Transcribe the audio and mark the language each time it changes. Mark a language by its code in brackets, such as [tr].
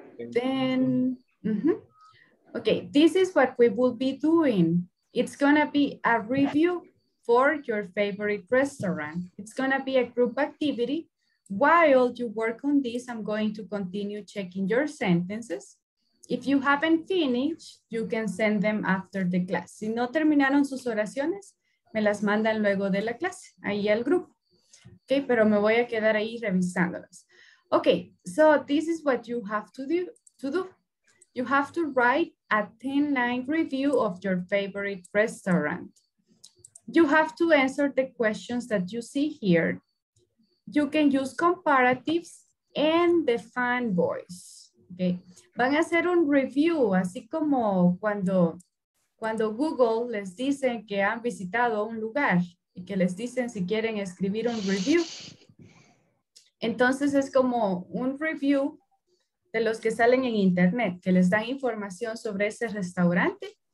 [en] Then, okay, this is what we will be doing. It's gonna be a review for your favorite restaurant. It's gonna be a group activity. While you work on this, I'm going to continue checking your sentences. If you haven't finished, you can send them after the class. [es] Si no terminaron sus oraciones, me las mandan luego de la clase, ahí al grupo. Okay, pero me voy a quedar ahí revisándolas. [en] Okay, so this is what you have to do. You have to write a 10-line review of your favorite restaurant. You have to answer the questions that you see here. You can use comparatives and the fan voice. Okay. [es] Van a hacer un review, así como cuando Google les dicen que han visitado un lugar y que les dicen si quieren escribir un review. Entonces es como un review de los que salen en internet, que les dan información sobre ese restaurante.